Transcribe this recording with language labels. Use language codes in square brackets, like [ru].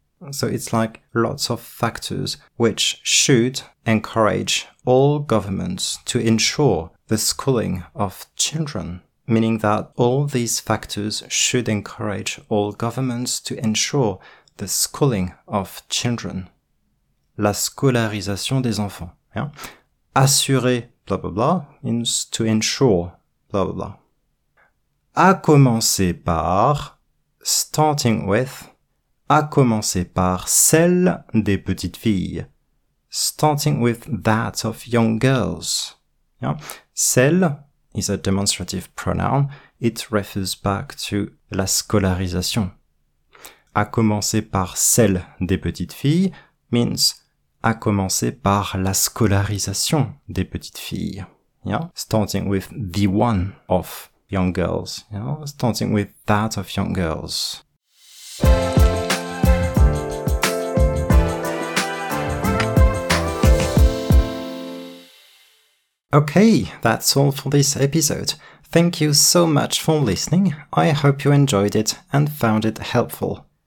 [en] So it's like lots of factors which should encourage all governments to ensure the schooling of children, meaning that all these factors should encourage all governments to ensure the schooling of children. [fr] La scolarisation des enfants. [en] Yeah? Assurer, blah, blah, blah, means to ensure, blah, blah, blah. [fr] À commencer par, [en] starting with, [fr] à commencer par celle des petites filles. [en] Starting with that of young girls. Yeah. Celle is a demonstrative pronoun. It refers back to la scolarisation. [fr] À commencer par celle des petites filles means à commencer par la scolarisation des petites filles. [en] Yeah. Starting with the one of young girls. Yeah. Starting with that of young girls. Okay, that's all for this episode. Thank you so much for listening. I hope you enjoyed it and found it helpful.